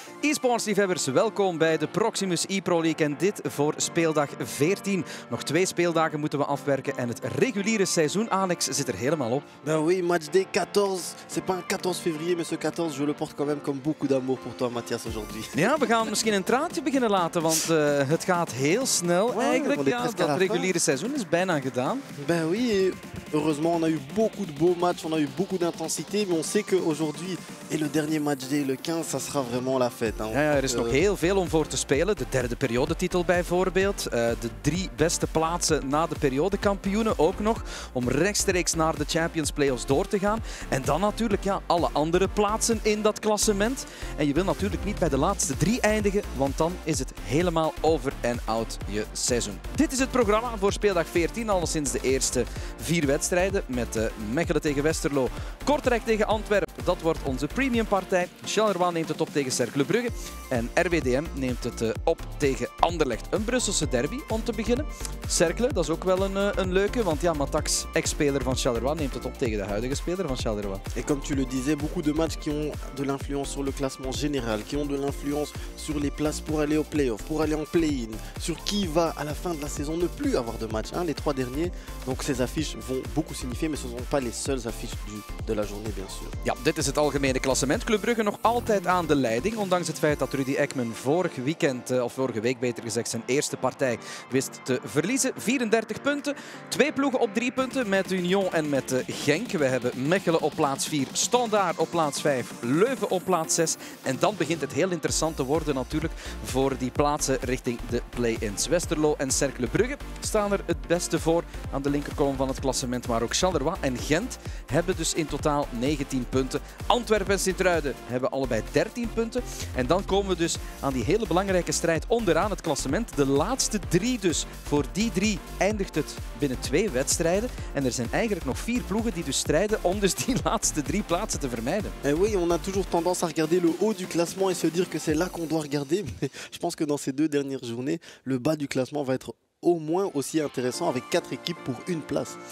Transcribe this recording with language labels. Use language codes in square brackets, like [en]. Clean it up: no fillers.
[nl] Sportsliefhebbers, welkom bij de Proximus ePro League en dit voor speeldag 14. Nog twee speeldagen moeten we afwerken en het reguliere seizoen, Alex, zit er helemaal op. [fr] Ben oui, matchday 14. C'est pas un 14 février, mais ce 14, je le porte quand même comme beaucoup d'amour pour toi, Mathias, aujourd'hui. [nl] Ja, we gaan misschien een traantje beginnen laten, want het gaat heel snel eigenlijk. [fr] Ouais, [nl] ja, dat reguliere seizoen is bijna gedaan. [fr] Ben oui, heureusement, on a eu beaucoup de beaux matchs, on a eu beaucoup d'intensité, mais on sait qu'aujourd'hui est le dernier matchday, le 15, ça sera vraiment la fête. [nl] Ja, er is nog heel veel om voor te spelen. De derde periodetitel bijvoorbeeld. De drie beste plaatsen na de periodekampioenen ook nog. Om rechtstreeks naar de Champions Playoffs door te gaan. En dan natuurlijk ja, alle andere plaatsen in dat klassement. En je wil natuurlijk niet bij de laatste drie eindigen, want dan is het helemaal over en out je seizoen. Dit is het programma voor speeldag 14. Al sinds de eerste vier wedstrijden. Met Mechelen tegen Westerlo. Kortrijk tegen Antwerpen. Dat wordt onze premiumpartij. Charleroi neemt het op tegen Cercle Brugge. En RWDM neemt het op tegen Anderlecht. Een Brusselse derby om te beginnen. Cercle, dat is ook wel een leuke. Want ja, Mataks, ex-speler van Charleroi, neemt het op tegen de huidige speler van Charleroi. [fr] En comme tu le disais, beaucoup de matchs qui ont de l'influence sur le classement général, qui ont de l'influence sur les places pour aller au play-off, pour aller en play-in, sur qui va à la fin de la saison ne plus avoir de match. Hein, les trois derniers, donc ces affiches vont beaucoup signifier, mais ce ne sont pas les seules affiches de la journée, bien sûr. [nl] Ja, dit is het algemene klassement. Club Brugge nog altijd aan de leiding, ondanks het feit dat Rudy Ekman vorig weekend, of vorige week beter gezegd, zijn eerste partij wist te verliezen. 34 punten, twee ploegen op 3 punten met Union en met Genk. We hebben Mechelen op plaats 4, Standaard op plaats 5, Leuven op plaats 6. En dan begint het heel interessant te worden natuurlijk voor die plaatsen richting de play-ins. Westerlo en Cercle Brugge staan er het beste voor aan de linkerkolom van het klassement. Maar ook Charleroi en Gent hebben dus in totaal 19 punten. Antwerpen en Sint-Truiden hebben allebei 13 punten. En dan komen we dus aan die hele belangrijke strijd onderaan het klassement. De laatste drie dus. Voor die drie eindigt het binnen twee wedstrijden. En er zijn eigenlijk nog vier ploegen die dus strijden om dus die laatste drie plaatsen te vermijden. [fr] En oui, on a toujours tendance à regarder le haut du classement et se dire que c'est là qu'on doit regarder. Mais je pense que dans ces deux dernières journées, le bas du classement va être au moins aussi intéressant avec quatre équipes pour une place.